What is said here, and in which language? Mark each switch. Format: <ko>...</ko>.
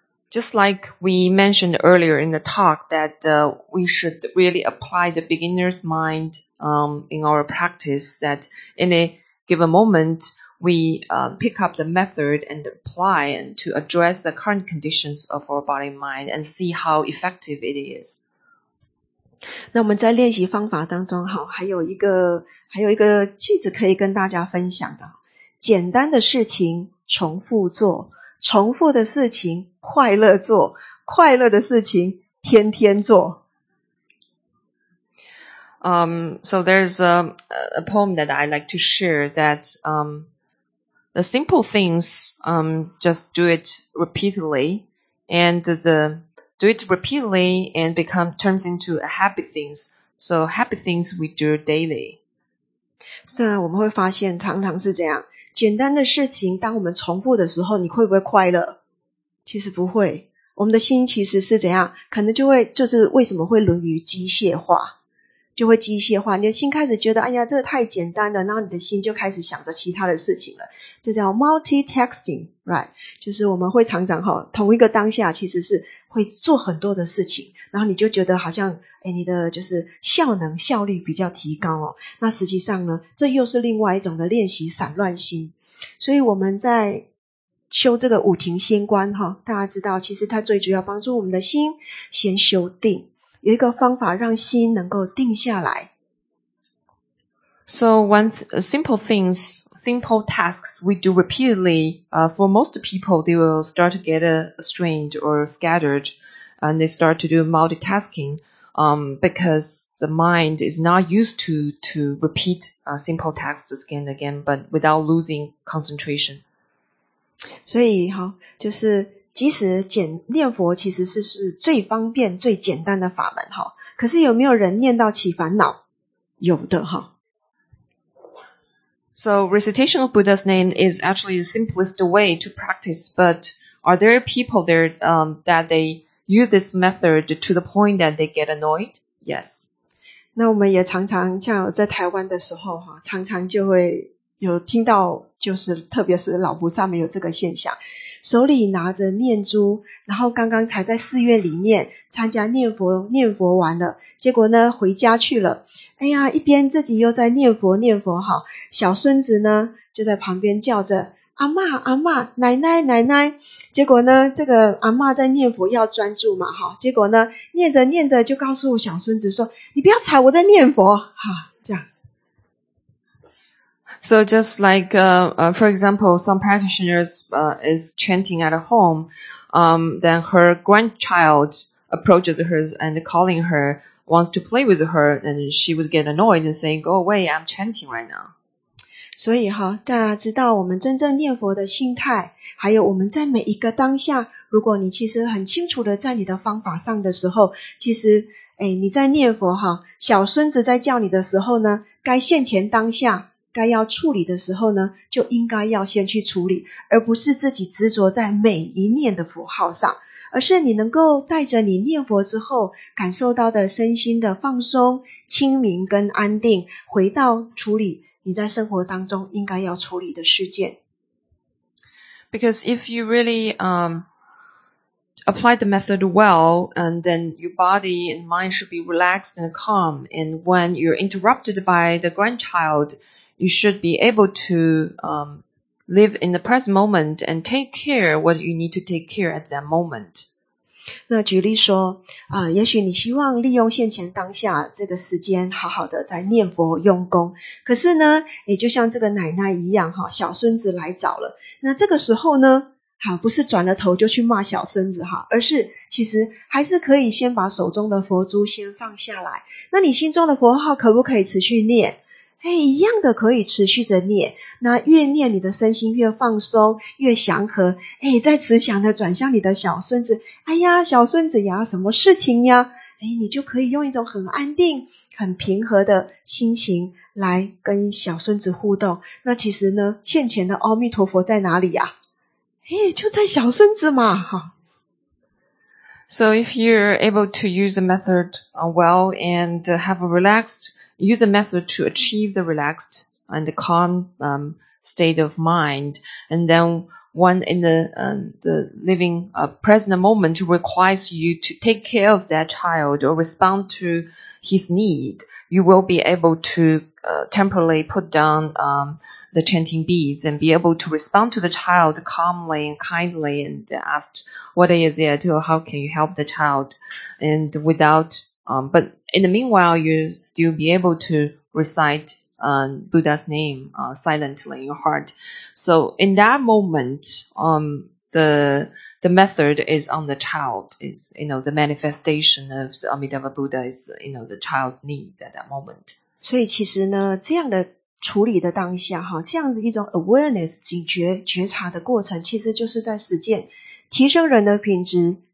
<en>Just like we mentioned earlier in the talk that we should really apply the beginner's mind in our practice, that in a given moment, we pick up the method and apply and to address the current conditions of our body and mind and see how effective it is.</en> <zh>那我们在练习方法当中，好，还有一个句子可以跟大家分享的，简单的事情重复做，重复的事情快乐做，快乐的事情天天做。</zh> <en>So there's a poem that I like to share that the simple things, just do it repeatedly, and the do it repeatedly and become turns into a happy things. So happy things we do daily.</en> <zh>是啊，我们会发现常常是这样。简单的事情，当我们重复的时候，你会不会快乐？其实不会。我们的心其实是怎样，可能就会就是为什么会沦于机械化，就会机械化。你的心开始觉得，哎呀，这个太简单了，然后你的心就开始想着其他的事情了。这叫</zh> <en>multitasking, right?</en> <zh>就是我们会常常哈，同一个当下其实是会做很多的事情，然后你就觉得好像，哎，你的就是效能效率比较提高哦。那实际上呢，这又是另外一种的练习散乱心。所以我们在修这个五停心观哈，大家知道，其实它最主要帮助我们的心先修定。有一个方法让心能够定下来。</zh> <en>So one simple things, simple tasks we do repeatedly, for most people, they will start to get strained or scattered, and they start to do multitasking, because the mind is not used to repeat simple tasks again and again, but without losing concentration.</en> <zh>所以哈，就是。即使念佛其实是最方便最简单的法门哈，可是有没有人念到起烦恼？有的哈。</zh> <en>So recitation of Buddha's name is actually the simplest way to practice, but are there people there that they use this method to the point that they get annoyed? Yes.</en> <zh>那我们也常常像在台湾的时候哈，常常就会有听到，就是特别是老菩萨没有这个现象。手里拿着念珠，然后刚刚才在寺院里面参加念佛完了，结果呢回家去了。哎呀，一边自己又在念佛好，小孙子呢就在旁边叫着阿嬷阿嬷奶奶奶奶。结果呢这个阿嬷在念佛要专注嘛好，结果呢念着念着就告诉小孙子说，你不要吵，我在念佛好，这样。</zh> <en>So just like, for example, some practitioners, is chanting at home, then her grandchild approaches her and calling her, wants to play with her, and she would get annoyed and saying, go away, I'm chanting right now.</en> <zh>所以哈，大家知道我们真正念佛的心态，还有我们在每一个当下，如果你其实很清楚的在你的方法上的时候，其实哎，你在念佛哈，小孙子在叫你的时候呢，该现前当下。该要处理的时候呢，就应该要先去处理，而不是自己执着在每一念的符号上，而是你能够带着你念佛之后感受到的身心的放松、清明跟安定，回到处理你在生活当中应该要处理的事件。</zh> <en>Because if you really apply the method well, and then your body and mind should be relaxed and calm, and when you're interrupted by the grandchild,You should be able to live in the present moment and take care what you need to take care at that moment.</en> <zh>那举例说，也许你希望利用现前当下这个时间，好好的在念佛用功。可是呢，也就像这个奶奶一样，哈，小孙子来找了。那这个时候呢，好，不是转了头就去骂小孙子哈，而是其实还是可以先把手中的佛珠先放下来。那你心中的佛号可不可以持续念？哎，一样的可以持续着念，那越念你的身心越放松越祥和，哎，再慈祥的转向你的小孙子，哎呀小孙子呀，什么事情呀，哎，你就可以用一种很安定很平和的心情来跟小孙子互动。那其实呢，现前的阿弥陀佛在哪里呀？哎，就在小孙子嘛。</zh> <en>So if you're able to use the method well and have a relaxedUse a method to achieve the relaxed and the calm state of mind. And then when in the living present moment requires you to take care of that child or respond to his need, you will be able to temporarily put down the chanting beads and be able to respond to the child calmly and kindly and ask what is it or how can you help the child and withoutBut in the meanwhile, you still be able to recite Buddha's name silently in your heart. So in that moment, the method is on the child. Is you know the manifestation of the Amitabha Buddha is you know the child's needs at that moment.</en> <zh>所以其实呢，这样的处理的当下哈，这样子一种 awareness 警觉觉察的过程，其实就是在实践提升人的品质。</zh>